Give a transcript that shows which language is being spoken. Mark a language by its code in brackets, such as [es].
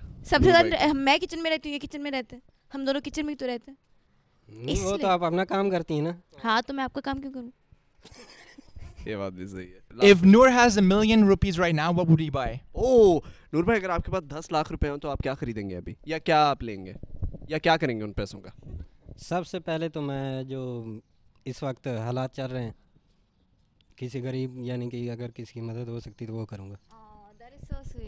[hi] सबसे ज्यादा मैं किचन में रहती हूँ, ये किचन में रहते, हम दोनों किचन में तो रहते हैं। वो तो आप अपना काम करती है ना। हाँ तो मैं आपका काम क्यों करूँ? ये बात भी सही है। [en] If Noor has a million rupees right now, what would he buy? [hi] Oh, Noor भाई, अगर आपके पास 1,000,000 रुपए हो तो आप क्या खरीदेंगे अभी, या क्या आप लेंगे, या क्या करेंगे उन पैसों का? सबसे पहले तो मैं, जो इस वक्त हालात चल रहे हैं, किसी गरीब यानी कि अगर किसी की मदद हो सकती तो वो करूँगा।